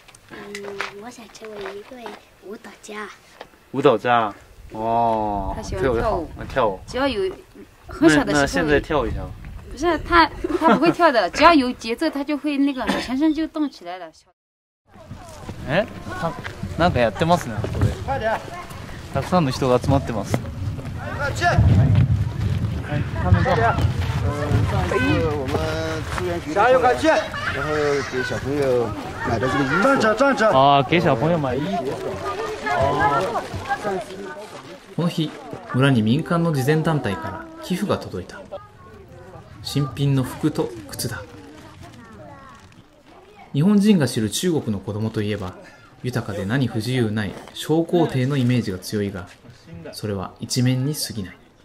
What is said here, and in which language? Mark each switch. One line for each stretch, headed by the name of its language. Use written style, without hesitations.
Chinese: 嗯，我想成为一位舞蹈家。舞蹈家？哦，他喜欢跳舞。跳舞。只要有很小的时候。那现在跳一下吧。不是他不会跳的，只要有节奏，他就会那个全身就动起来了。哎，他。
Japanese: なんかやってますね、これ。たくさんの人が集まってます。はい、
Chinese: 他们在。上一次我们支援学校。加油，快去！然后给小朋友买的这个衣服。站着，站着。啊，给小朋友买衣服。哦。
Japanese: この日、村に民間の慈善団体から寄付が届いた。新品の服と靴だ。日本人が知る中国の子供といえば。豊かで何不自由ない小皇帝のイメージが強いが、それは一面に過ぎない。